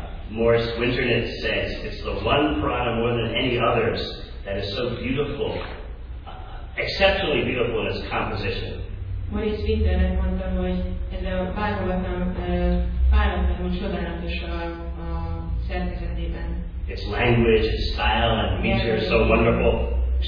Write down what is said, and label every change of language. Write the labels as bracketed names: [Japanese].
[English] Morris Winternitz says it's the one Purana more than any others that is so beautiful, exceptionally beautiful in its composition. [Hungarian] Morris Winternitz mondta, hogy ez a Bhagavatam [English] its language, its style, and meter are so wonderful.